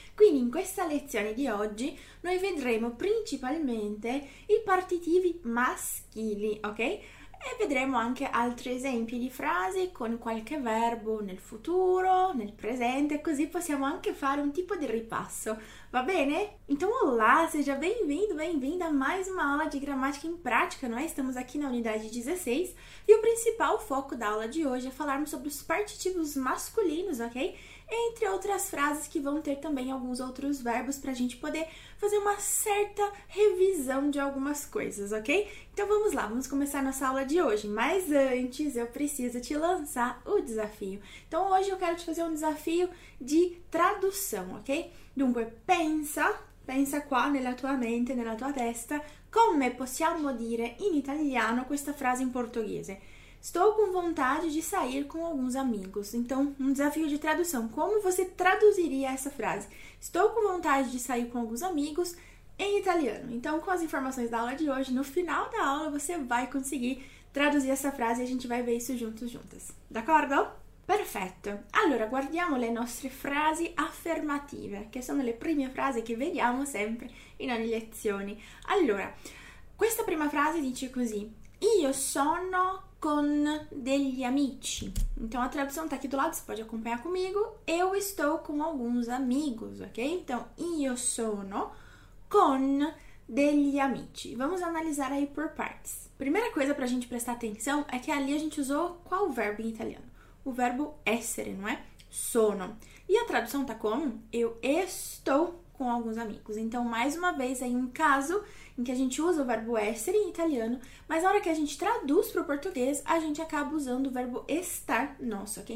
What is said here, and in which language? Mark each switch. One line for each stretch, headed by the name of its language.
Italian: Quindi in questa lezione di oggi noi vedremo principalmente i partitivi maschili, ok? E vedremo anche altri esempi di frasi con qualche verbo nel futuro, nel presente, così possiamo anche fare un tipo di ripasso, va bene?
Portuguese: Então, olá, seja bem-vindo, bem-vinda a mais uma aula de gramática em prática. Nós estamos aqui na unidade 16 e o principal foco da aula de hoje é falarmos sobre os partitivos masculinos, ok? Entre outras frases que vão ter também alguns outros verbos para a gente poder fazer uma certa revisão de algumas coisas, ok? Então vamos lá, vamos começar nossa aula de hoje. Mas antes eu preciso te lançar o desafio. Então hoje eu quero te fazer um desafio de tradução, ok?
Italian: Dunque, pensa qua nella tua mente, nella tua testa, come possiamo dire in italiano questa frase in portoghese.
Portuguese: Estou com vontade de sair com alguns amigos. Então, um desafio de tradução. Como você traduziria essa frase? Estou com vontade de sair com alguns amigos em italiano. Então, com as informações da aula de hoje, no final da aula você vai conseguir traduzir essa frase e a gente vai ver isso juntos, juntas.
Italian: D'accordo? Perfetto. Allora, guardiamo le nostre frasi affermative, che sono le prime frasi che vediamo sempre in ogni lezione. Allora, questa prima frase dice così: io sono con degli amici.
Portuguese: Então a tradução tá aqui do lado, você pode acompanhar comigo. Eu estou com alguns amigos, ok?
Italian: Então, io sono con degli amici.
Portuguese: Vamos analisar aí por partes. Primeira coisa pra gente prestar atenção é que ali a gente usou qual verbo em italiano? O verbo essere, não é? Sono. E a tradução tá como? Eu estou com alguns amigos. Então, mais uma vez, aí um caso em que a gente usa o verbo essere em italiano, mas na hora que a gente traduz para o português, a gente acaba usando o verbo estar nosso, ok?